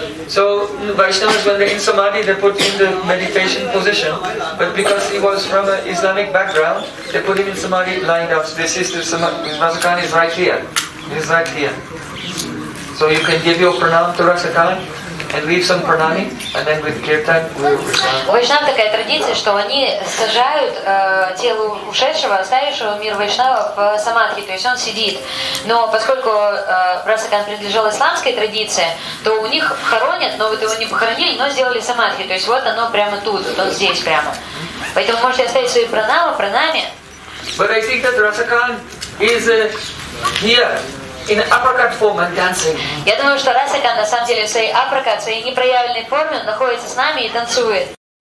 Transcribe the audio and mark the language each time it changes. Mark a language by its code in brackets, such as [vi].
[en] So Vaishnavas, when they're in Samadhi, they put in the meditation position. But because he was from an Islamic background, they put him in Samadhi lined up. So this is the Samadhi. Rasa Khan is right here. He's right here. So you can give your pranam to Rasa Khan and leave some pranami, and then with kirtan we will return. [ru] Vaishnava такая традиция, что они сажают тело ушедшего, оставившего мир Вайшнава в самадхи, то есть он сидит. Но поскольку Rasa Khan принадлежал исламской традиции, то у них хоронят, но вот его не похоронили, но сделали самадхи. То есть вот оно прямо тут, вот он здесь прямо. Поэтому можете оставить свои пранамы, пранами. [en] But I think that Rasa Khan is here. In apricot form and dancing. [ru] Я думаю, что Rasa Khan на самом деле в своей апрокат, своей непроявленной форме, находится с нами и танцует.